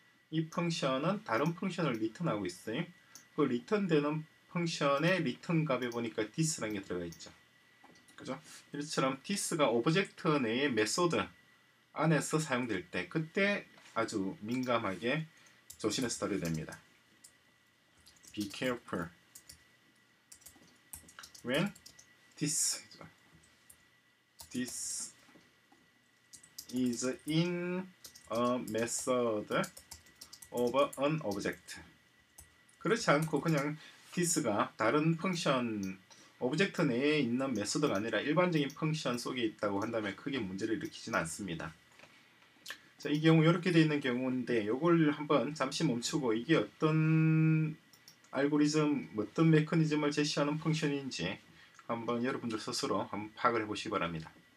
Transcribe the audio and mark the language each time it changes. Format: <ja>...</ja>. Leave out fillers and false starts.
<ko>이 펑션은 다른 펑션을 리턴하고 있어요. 그 리턴되는 펑션의 리턴 값에 보니까 this라는 게 들어가 있죠. 그죠? 이처럼 this가 오브젝트 내의 메소드 안에서 사용될 때 그때 아주 민감하게 조심해서 다뤄야 됩니다.</ko> <en>Be careful when this is in a method of an object.</en> <ko>그렇지 않고 그냥 this가 다른 펑션, 오브젝트 내에 있는 메소드가 아니라 일반적인 펑션 속에 있다고 한다면 크게 문제를 일으키진 않습니다. 자, 이 경우 이렇게 되어 있는 경우인데 이걸 한번 잠시 멈추고 이게 어떤 알고리즘, 어떤 메커니즘을 제시하는 펑션인지 한번 여러분들 스스로 한번 파악을 해보시기 바랍니다.</ko>